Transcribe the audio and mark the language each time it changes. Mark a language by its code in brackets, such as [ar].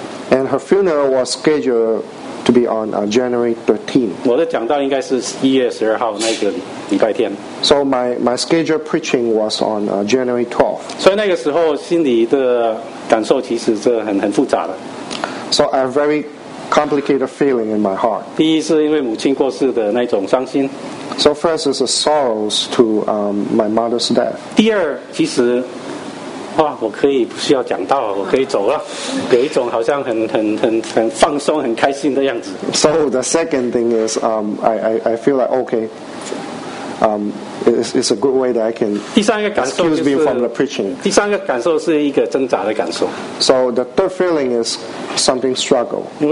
[en] And her funeral was scheduled to be on January 13th. [zh] 我的讲道应该是1月12号那个礼拜天。 [en] So my scheduled preaching was on January 12th. [zh] 所以那个时候心里的感受其实是很复杂的。 [en] So I have a very complicated feeling in my heart. [zh] 第一是因为母亲过世的那种伤心。 [en] So first is the sorrows to my mother's death. [zh] 第二其实 哇，我可以不需要讲道了，我可以走了，有一种好像很放松、很开心的样子。 [en] So the second thing is, I feel like okay, it's a good way that I can excuse me from the preaching. [zh] 第三个感受是一个挣扎的感受。 [en] So the third feeling is something struggle.